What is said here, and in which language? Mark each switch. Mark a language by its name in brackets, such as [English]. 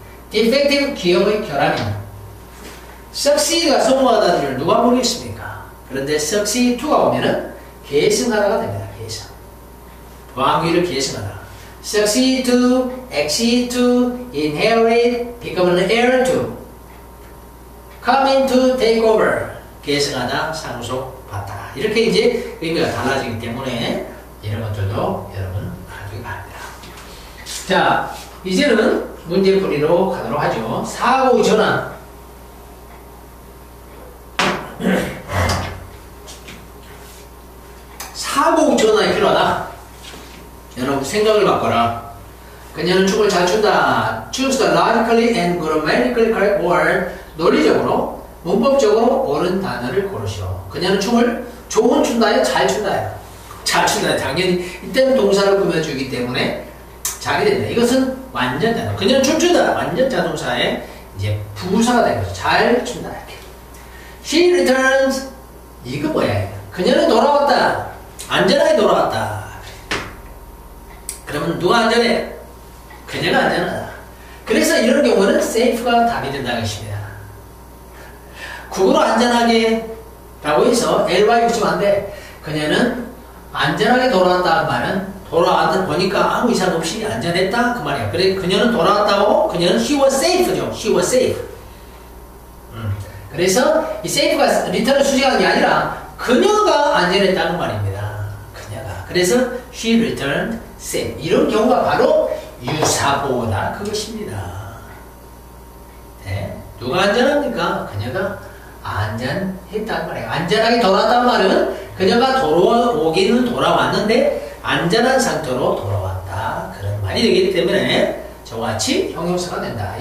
[Korean] Defective 기업의 결함이다. Succeed가 성공하다는 줄 누가 모르겠습니까? 그런데 succeed 2가 오면은 계승하다가 됩니다. 계승. 왕위를 계승하다. [English] Succeed to, exceed to, inherit, become an heir to, come into, take over. [Korean] 계승하다, 상속받다. 이렇게 이제 의미가 달라지기 때문에 이런 것들도 여러분 알기 바랍니다. 자, 이제는 문제풀이로 가도록 하죠. 사고 전환. 사고 전환이 필요하다. 여러분 생각을 바꿔라. 그녀는 춤을 잘 춘다. [English] Choose the logically and grammatically correct word. [Korean] 논리적으로, 문법적으로 옳은 단어를 고르시오. 그녀는 춤을 좋은 춘다에 잘 춘다에. 잘 춘다. 당연히 이때는 동사를 꾸며주기 때문에 자게 된다. 이것은 완전자동사. 그냥 춤추다. 완전자동사의 이제 부사가 된 거죠. 잘 춘다. 이렇게. [English] She returns. [Korean] 이거 뭐야? 그녀는 돌아왔다. 안전하게 돌아왔다. 그러면 누가 안전해? 그녀가 안전하다. 그래서 이런 경우는 safe가 답이 된다는 것입니다. 국으로 안전하게 라고 해서 ly 붙이면 안 돼. 그녀는 안전하게 돌아왔다는 말은 돌아왔다 보니까 아무 이상 없이 안전했다 그 말이야. 그래 그녀는 돌아왔다고 그녀는 [English] she was safe [Korean] 죠. [English] She was safe. [Korean] 그래서 이 safe가 리터를 수식한 게 아니라 그녀가 안전했다는 말입니다. 그녀가. [English] 그래서 she returned safe. [Korean] 이런 경우가 바로 유사보호다 그것입니다. 네. 누가 안전합니까? 그녀가 안전했다는 말이에요. 안전하게 돌아왔다는 말은 그녀가 돌아오기는 돌아왔는데 안전한 상태로 돌아왔다 그런 말이 되기 때문에 저와 같이 형용사가 된다.